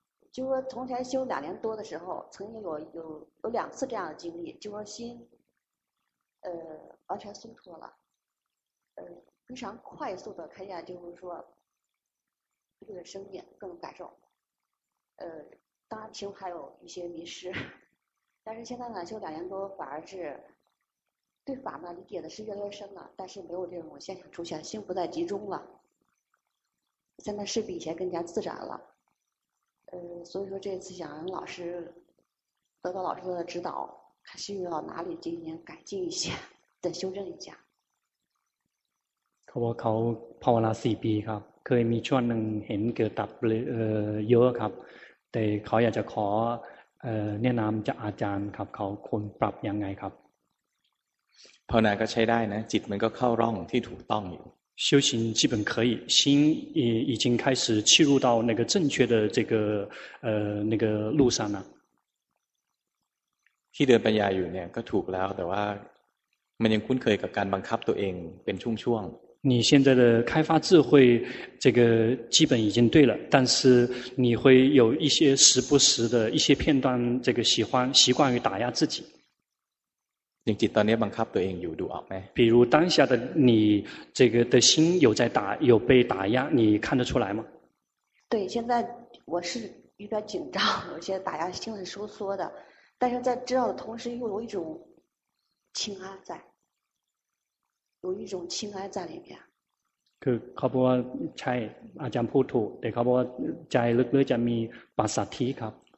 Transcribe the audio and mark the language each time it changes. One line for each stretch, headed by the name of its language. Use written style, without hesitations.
Chinese: 就说从前修两年多的时候，曾经有两次这样的经历，就说心完全松脱了，非常快速的看见就是说这个生命各种感受，当然其实还有一些迷失，但是现在呢修两年多反而是对法呢理解的是越来越深了，但是没有这种现象出现，心不再集中了，现在是比以前更加自然了。所以说这次想让老师得到老师的指导，看需要哪里进行改进一些，再修正一下。
Thai: เขาภาวนา4ปีครับเคยมีช่วงนึงเห็นเกิดดับเยอะครับแต่เขาอยากจะขอแนะนำจากอาจารย์ครับเขาควรปรับยังไงครับ ภาวนาก็ใช้ได้นะจิตมันก็เข้าร่องที่ถูกต้องอยู่
Chinese: 修行基本可以心已经开始切入到那个正确的这个那个路上了
Thai: ที่เดินปัญญาอยู่เนี่ยก็ถูกแล้วแต่ว่ามันยังคุ้นเคยกับการบังคับตัวเองเป็นช่วงๆ
Chinese: 你现在的开发智慧这个基本已经对了，但是你会有一些时不时的一些片段这个习惯于打压自己。你记得你帮卡对应有多少没比如当下的你这个的心有在打有被打压，你看得出来吗？对，现在我是有点紧张，有些打压心很收缩的，但是在知道的同时又有一种轻安在。有一种轻安在里面。
Thai: คือเขาบอกว่าใช่อาจารย์พูดถูกแต่เขาบอกว่าใจลึกๆจะมีปัสสัทธิครับ